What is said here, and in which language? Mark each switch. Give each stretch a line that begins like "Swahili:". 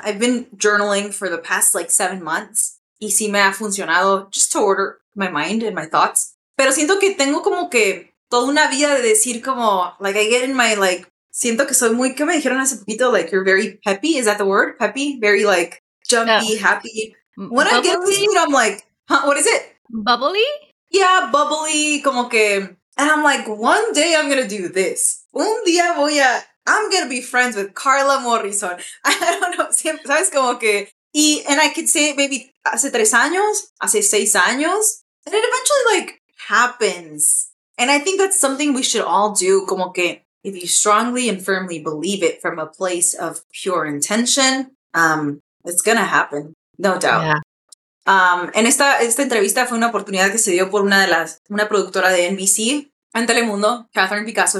English: I've been journaling for the past like 7 months.
Spanish: Y sí me ha funcionado,
English: just to order my mind and my thoughts.
Spanish: Pero siento que tengo como que toda una vida de decir como, like,
English: I get in my,
Spanish: like, siento que soy muy, ¿qué me dijeron hace poquito?
English: Like, you're very peppy, is that the word? Peppy? Very, like, jumpy, happy. When bubbly? I get in, I'm like, huh, what is it? Bubbly? Yeah, bubbly,
Spanish: como que.
English: And I'm like, one day I'm going to do this.
Spanish: Un día voy a,
English: I'm going to be friends with Carla Morrison. I don't know.
Spanish: Siempre, sabes, como que.
English: And I could say it maybe
Spanish: hace 3 años, hace 6 años.
English: And it eventually, like, happens. And I think that's something we should all do,
Spanish: como que,
English: if you strongly and firmly believe it from a place of pure intention, it's going to happen, no doubt. Yeah.
Spanish: En esta entrevista fue una oportunidad que se dio por una productora de NBC en Telemundo, Catherine Picasso.